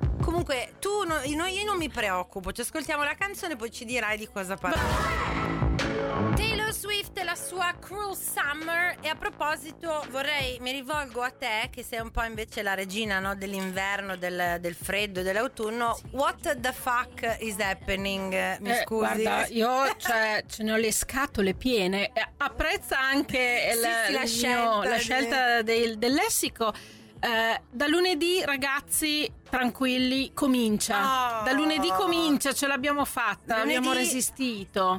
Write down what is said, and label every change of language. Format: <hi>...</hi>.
<it>Comunque, tu no, io non mi preoccupo. Ci ascoltiamo la canzone e poi ci dirai di cosa parliamo. Taylor Swift e la sua Cruel Summer. E a proposito, mi rivolgo a te, che sei un po' invece la regina, no, dell'inverno, del freddo, dell'autunno.</it> <en>What the fuck is happening?</en> <it>Mi scusi. Guarda, io ce ne ho le scatole piene. Apprezza anche la scelta del lessico. Da lunedì, ragazzi, tranquilli, comincia. Oh. Da lunedì comincia, ce l'abbiamo fatta, lunedì abbiamo resistito.</it>